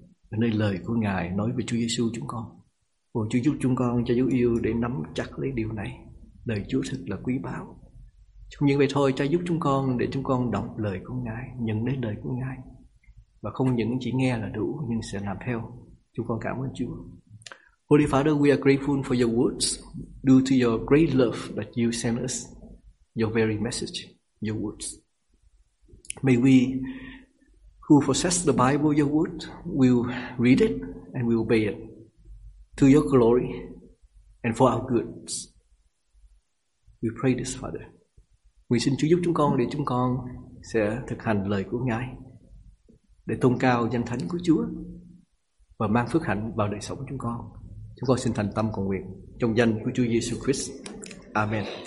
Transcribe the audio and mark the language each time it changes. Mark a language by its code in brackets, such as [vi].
[vi] Ở nơi lời của Ngài nói về Chúa Giêsu chúng con. Ôi, Chúa giúp chúng con cha yêu để nắm chặt lấy điều này. Lời Chúa thật là quý báu. Không những vậy thôi, cha giúp chúng con để chúng con đọc lời của Ngài, nhận lấy lời của Ngài. Và không những chỉ nghe là đủ, nhưng sẽ làm theo. Chúng con cảm ơn Chúa. [en] Holy Father, we are grateful for your words, due to your great love that you sent us, your very message, your words. May we, who possess the Bible, your word, will read it and will obey it to your glory and for our good. We pray this, Father. [vi] Nguyện xin Chúa giúp chúng con để chúng con sẽ thực hành lời của Ngài, để tôn cao danh thánh của Chúa và mang phước hạnh vào đời sống chúng con. Chúng con xin thành tâm cầu nguyện trong danh của Chúa Giêsu Christ. Amen.